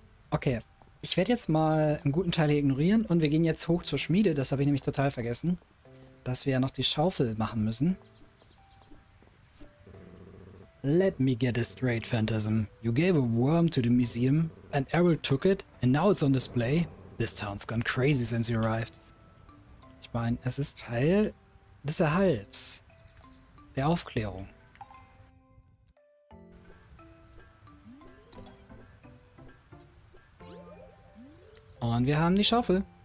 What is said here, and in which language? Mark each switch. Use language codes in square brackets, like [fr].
[de] Okay, ich werde jetzt mal einen guten Teil hier ignorieren und wir gehen jetzt hoch zur Schmiede. Das habe ich nämlich total vergessen, dass wir ja noch die Schaufel machen müssen. [en] Let me get this straight, Phantasm. You gave a worm to the museum, and Errol took it, and now it's on display. This town's gone crazy since you arrived. [de] Ich meine, es ist Teil des Erhalts, der Aufklärung. Und wir haben die Schaufel.